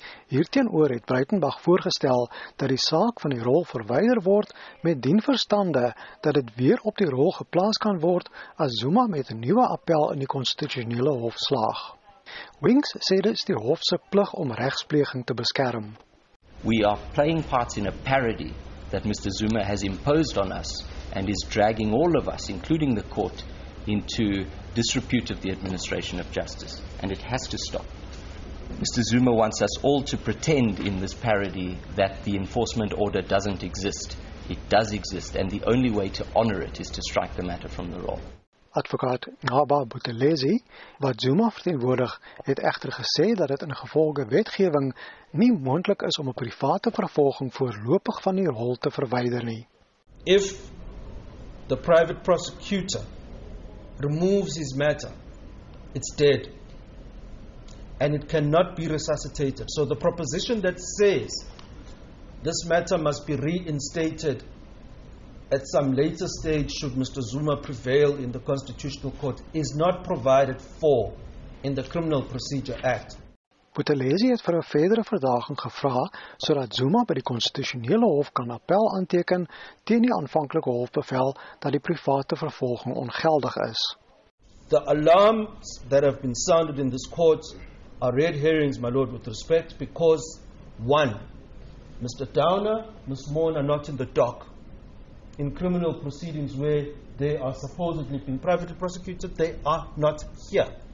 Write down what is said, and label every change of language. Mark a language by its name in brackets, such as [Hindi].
[Afrikaans] Hierteenoor het Breitenbach voorgestel dat die saak van die rol verwyder word met dien verstande dat dit weer op die rol geplaas kan word as Zuma met 'n nuwe appel in die konstitusionele hof slaag. Winks sê dit is die hof se plig om regspleging te beskerm. [English] We are playing parts in a parody that Mr. Zuma has imposed on us and is dragging all of us, including the court, into disrepute of the administration of justice, and it has to stop. Mr. Zuma wants us all to pretend in this parody that the enforcement order doesn't exist. It does exist, and the only way to honour it is to strike the matter from the roll. [Afrikaans] Advokaat Naba Buthelezi, wat Zuma verteenwoordig, het echter gesê dat het in gevolge wetgewing nie moontlik is om 'n private vervolging voorlopig van die rol te verwyder nie. [English] If the private prosecutor removes his matter, it's dead and it cannot be resuscitated. So the proposition that says this matter must be reinstated at some later stage should Mr. Zuma prevail in the Constitutional Court is not provided for in the Criminal Procedure Act. [Afrikaans] Buthelezi het vir 'n verdere verdaging gevra sodat Zuma by die konstitusionele hof kan appel aanteken teen die aanvanklike hofbevel dat die private vervolging ongeldig is. [English] The alarms that have been sounded in this court are red herrings, my lord, with respect, because one, Mr. Downer, Ms. Moon are not in the dock. in criminal proceedings where they are supposedly being privately prosecuted, they are not here.